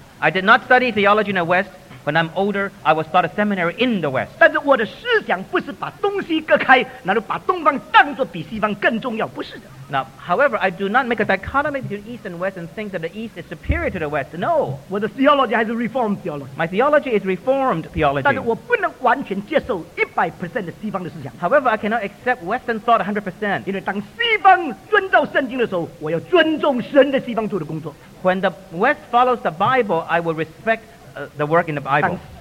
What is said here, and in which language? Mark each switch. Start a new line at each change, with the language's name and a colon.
English: I did not study theology in the West. When I'm older, I will start a seminary in the West.
Chinese: 但是我的思想不是把东西割开，然后把东方当作比西方更重要，不是的。
English: Now, however, I do not make a dichotomy between East and West and think that the East is superior to the West. No.
Chinese: 我的 theology 还是
English: Reformed theology. My theology is Reformed theology.
Chinese: 但是我不能完全接受 100% 的西方的思想。
English: However, I cannot accept Western thought 100%.
Chinese: 因为当西方遵照圣经的时候，我要尊重神的西方做的工作。
English: When the West follows the Bible, I will respect the work in the Bible.